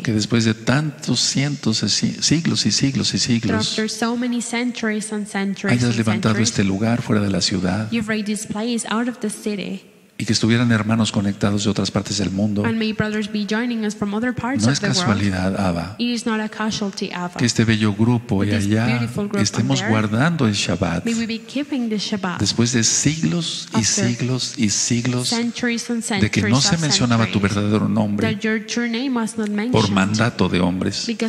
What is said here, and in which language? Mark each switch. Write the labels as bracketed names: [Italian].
[Spanish] Que después de tantos cientos de siglos y siglos y siglos, [English] after so many centuries and centuries, [Spanish] hayas levantado este lugar fuera de la ciudad. [English] You've raised this place out of the city. [Spanish] y que estuvieran hermanos conectados de otras partes del mundo. No es casualidad, Abba, que este bello grupo y allá estemos guardando el Shabbat después de siglos y siglos y siglos de que no se mencionaba tu verdadero nombre por mandato de hombres,